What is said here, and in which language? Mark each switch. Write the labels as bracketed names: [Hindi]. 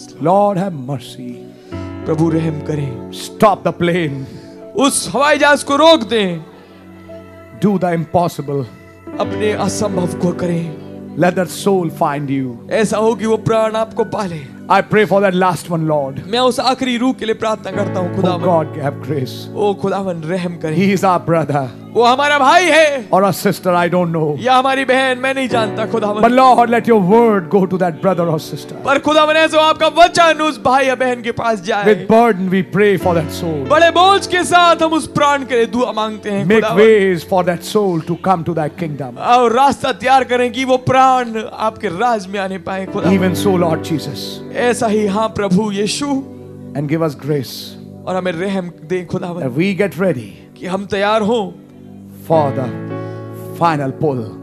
[English] Lord have mercy. [Hindi] प्रभु रहम करें. [English] Stop the plane. [Hindi] उस हवाई जहाज को रोक दें. [English] Do the impossible. [Hindi] अपने असंभव को करें. [English] Let that soul find you. [Hindi] ऐसा हो कि वो प्राण आपको पाले. [English] I pray for that last one, Lord. [Hindi] मैं उस आखिरी रूह के लिए प्रार्थना करता हूँ खुदावन. [English] Oh God, have grace. [Hindi] ओ खुदावन रहम करें. [English] He is our brother. [Hindi] वो हमारा भाई है. [English] Or our sister, I don't know. [Hindi] या हमारी बहन, मैं नहीं जानता खुदावन. [English] But Lord, let Your word go to that brother or sister. [Hindi] पर खुदावन ऐसे आपका वचन उस भाई या बहन के पास जाए. [English] With burden, we pray for that soul. [Hindi] बड़े बोझ के साथ हम उस प्राण के लिए दुआ मांगते हैं. [English] Make ways for that soul to come to Thy kingdom. [Hindi] और रास्ता तैयार करें कि वो प्राण आपके राज में आने पाए खुदावन. [English] Even so, Lord Jesus. [Hindi] ऐसा ही हाँ प्रभु यीशु. [English] And give us grace. [Hindi] और हमें रहम दे खुदावन. [English] That we get ready. [Hindi] कि हम तैयार हों. [English] For the final pull.